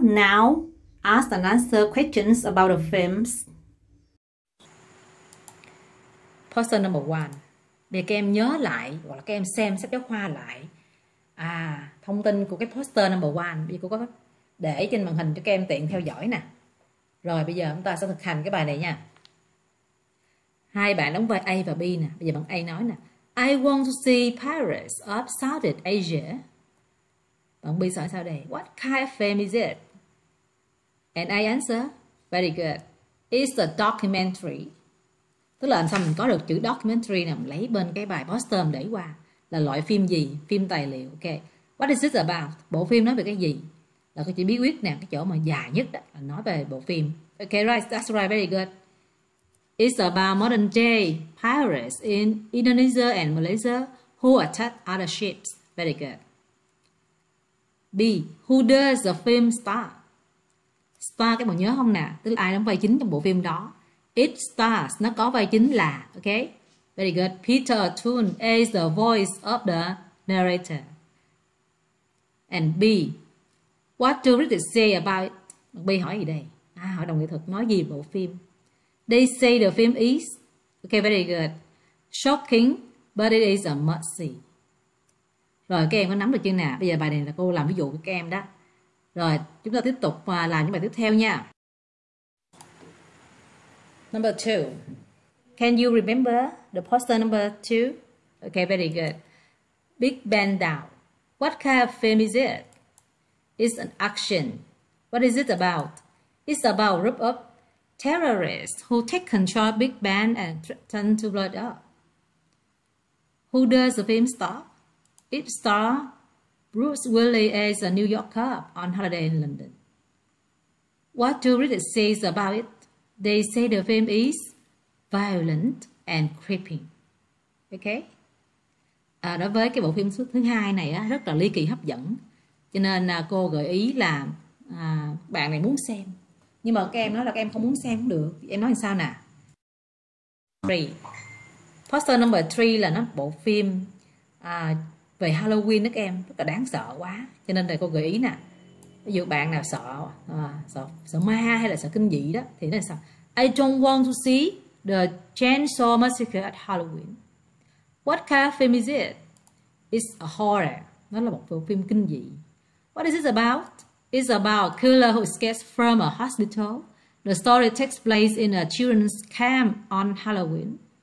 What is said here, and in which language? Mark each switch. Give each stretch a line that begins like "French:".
English: Now, ask and answer questions about the films. Poster number 1.
Vietnamese: Để các em nhớ lại, hoặc là các em xem sách giáo khoa lại thông tin của cái poster number 1. Bây giờ cô có để trên màn hình cho các em tiện theo dõi nè. Rồi, bây giờ chúng ta sẽ thực hành cái bài này nha. Hai bạn đóng vai A và B nè. Bây giờ bạn A nói nè.
English: I want to see Pirates of Southeast Asia.
Vietnamese: Bạn B sợ sao đây?
English: What kind of film is it? And I answer, very good. It's a documentary.
Vietnamese: Tức là làm sao mình có được chữ documentary nè, mình lấy bên cái bài poster mình để qua. Là loại phim gì? Phim tài liệu. Okay.
English: What is it about?
Vietnamese: Bộ phim nói về cái gì? là cô chỉ bí quyết nè, cái chỗ mà dài nhất đó, là nói về bộ phim.
English: Okay, right, that's right, very good. It's about modern day pirates in Indonesia and Malaysia who attack other ships. Very good. B. Who does the film star?
Vietnamese: Star các bạn nhớ không nè, tức là ai đóng vai chính trong bộ phim đó.
English: It stars,
Vietnamese: nó có vai chính là, okay?
English: Very good. Peter O'Toole is the voice of the narrator. And B. What do critics say about it?
Vietnamese: B hỏi gì đây? À, hội đồng nghệ thuật nói gì về bộ phim?
English: They say the film is, okay, very good, shocking, but it is a must-see.
Vietnamese: Rồi, các em có nắm được chưa nè? Bây giờ bài này là cô làm ví dụ cho các em đó. Rồi, chúng ta tiếp tục và làm những bài tiếp theo nha.
English: Number 2. Can you remember the poster number 2? Okay, very good. Big Bang Down. What kind of film is it? It's an action. What is it about? It's about a group of terrorists who take control of Big Bang and threaten to blow it up. Who does the film star? It stars Bruce Willis as a New York cop on holiday in London. What do critics say about it? They say the film is violent and creeping. Okay?
Vietnamese: À, đối với cái bộ phim thứ hai này á, rất là ly kỳ hấp dẫn. Cho nên cô gợi ý là bạn này muốn xem. Nhưng mà các em nói là các em không muốn xem cũng được. Em nói làm sao nè? 3.
English: Poster number 3
Vietnamese: là nó bộ phim về Halloween đó các em, rất là đáng sợ quá. Cho nên đây cô gợi ý nè, ví dụ bạn nào sợ sợ ma hay là sợ kinh dị đó thì nó là sao?
English: I don't want to see the Chainsaw Massacre at Halloween. What kind of film is it? It's a horror.
Vietnamese: Nó là một bộ phim kinh dị.
English: What is it about? It's about a killer who escapes from a hospital. The story takes place in a children's camp on Halloween.